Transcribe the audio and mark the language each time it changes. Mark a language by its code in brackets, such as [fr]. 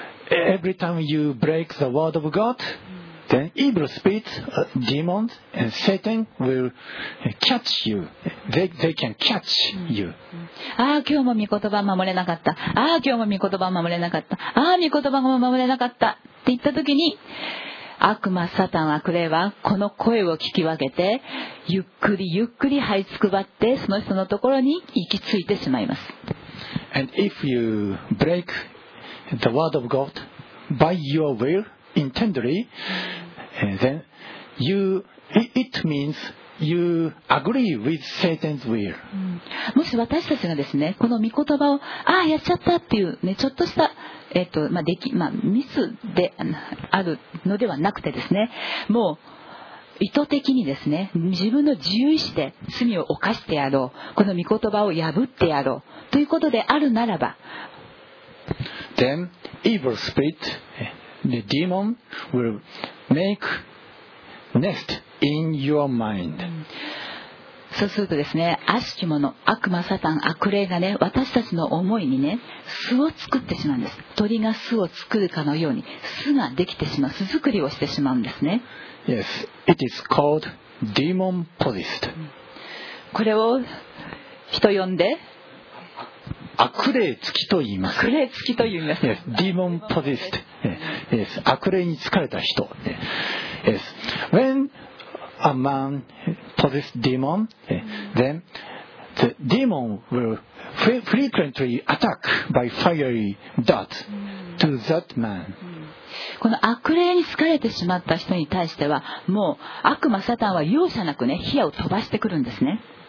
[en] Every time you break the word of God,Then evil spirits, demons, and Satan will catch you. They can catch you. [ja] ああ、今日も御言葉を守れなかった。ああ、今日も御言葉を守れなかった。ああ、御言葉を守れなかった。って言った時に、悪魔、サタン、悪霊はこの声を聞き分けて、ゆっくりゆっくり這いつくばって、その人のところに行き着いてしまいます。 [en] And if you break the word of God by your will,Intendedly, then it means you agree with Satan's will. [ja] もし私たちがですね、この御言葉をああやっちゃったっていうね、ちょっとしたミスであるのではなくてですね、もう意図的にですね、自分の自由意志で罪を犯してやろう、この御言葉を破ってやろうということであるならば、 [en] then evil spirit. The demon will make nest in your mind. [ja] そうするとですね、悪しき者、悪魔、サタン、悪霊がね、私たちの思いにね、巣を作ってしまうんです。鳥が巣を作るかのように、巣ができてしまう、巣作りをしてしまうんですね。 [en] Yes, it is called demon possessed. [ja] これを人呼んで、悪霊付きと言います。悪霊付きと言います。 [en] Yes, demon possessed. Yes. [ja] 悪霊に疲れた人、 [en] yes. When a man possesses demon, then the demon will frequently attack by fiery dart to that man. [ja] この悪霊に疲れてしまった人に対してはもう悪魔サタンは容赦なくね、火矢を飛ばしてくるんですね。